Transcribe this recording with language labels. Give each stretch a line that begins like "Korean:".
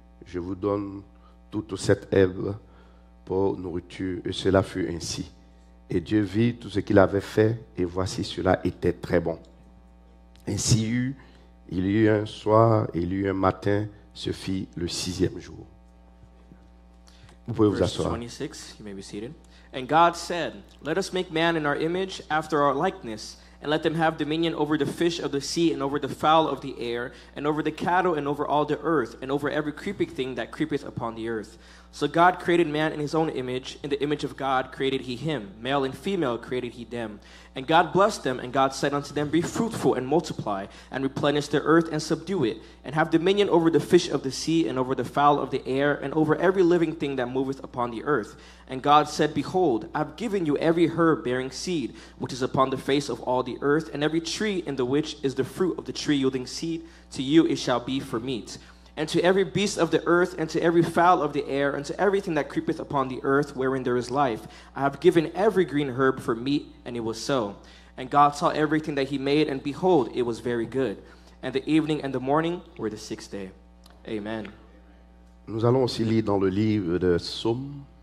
French: Je vous donne toute cette herbe pour nourriture. Et cela fut ainsi. Et Dieu vit tout ce qu'il avait fait et voici cela était très bon. Ainsi, il y eut un soir, il y eut un matin, ce fut le sixième jour. Vous pouvez vous asseoir.
English: Verse 26, you may be seated. And God said, let us make man in our image, after our likeness, and let them have dominion over the fish of the sea, and over the fowl of the air, and over the cattle, and over all the earth, and over every creeping thing that creepeth upon the earth. So God created man in his own image, in the image of God created he him, male and female created he them. And God blessed them, and God said unto them, be fruitful, and multiply, and replenish the earth, and subdue it, and have dominion over the fish of the sea, and over the fowl of the air, and over every living thing that moveth upon the earth. And God said, behold, I have given you every herb bearing seed, which is upon the face of all the earth, and every tree in the which is the fruit of the tree yielding seed, to you it shall be for meat. And to every beast of the earth, and to every fowl of the air, and to everything that creepeth upon the earth, wherein there is life, I have given every green herb for meat, and it was so. And God saw everything that he made, and behold, it was very good. And the evening and the morning were the sixth day. Amen.
French: Nous allons aussi lire dans le livre de Psaume.